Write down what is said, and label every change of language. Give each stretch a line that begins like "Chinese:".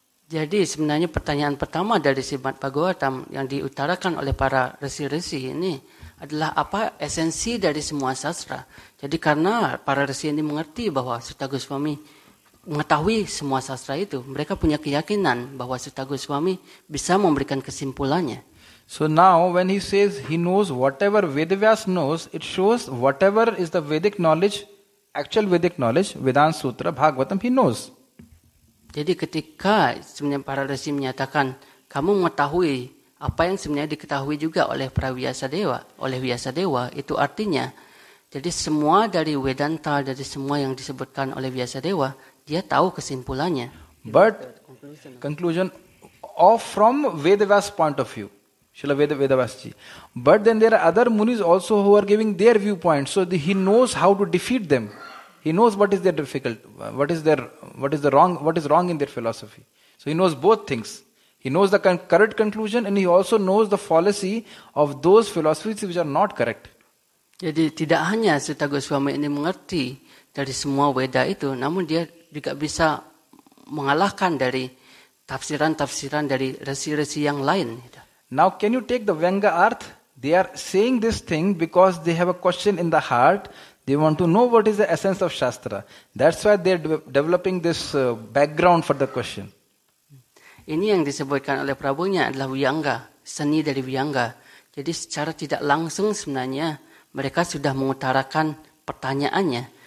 Indonesian: Jadi sebenarnya pertanyaan pertama dari Srimad Bhagavatam yang diutarakan oleh para resi-resi ini adalah apa esensi dari semua Shastra? Jadi karena para resi ini mengerti bahwa Suta Goswami mengetahui semua sastra itu, mereka punya keyakinan bahwa Suta Goswami bisa memberikan kesimpulannya.
English: So now when he says he knows whatever Vedavyas knows, it shows whatever is the Vedic knowledge, actual Vedic knowledge, Vedan Sutra, Bhagavatam, he knows.
Indonesian: Jadi ketika sebenarnya para resi menyatakan kamu mengetahui apa yang sebenarnya diketahui juga oleh para Vyasadeva, oleh Vyasadeva, itu artinya jadi semua dari Vedanta, dari semua yang disebutkan oleh Vyasadeva, dia tahu kesimpulannya.
English: But conclusion of from Vedavyas point of view, Srila Vedavyas ji. But then there are other munis also who are giving their viewpoint. So he knows how to defeat them. He knows what is their difficult, what is wrong in their philosophy. So he knows both things. He knows the correct conclusion and he also knows the fallacy of those philosophies which are not correct.
Indonesian: Jadi tidak hanya Suta Goswami ini mengerti dari semua Veda itu, namun dia juga bisa mengalahkan dari tafsiran-tafsiran dari resi-resi yang lain.
English: Now can you take the Vyanga Arth? They are saying this thing because they have a question in the heart. They want to know what is the essence of Shastra. That's why they're developing this background for the question.
Indonesian: Ini yang disebutkan oleh Prabhunya adalah Vyanga, seni dari Vyanga. Jadi secara tidak langsung sebenarnya mereka sudah mengutarakan pertanyaannya.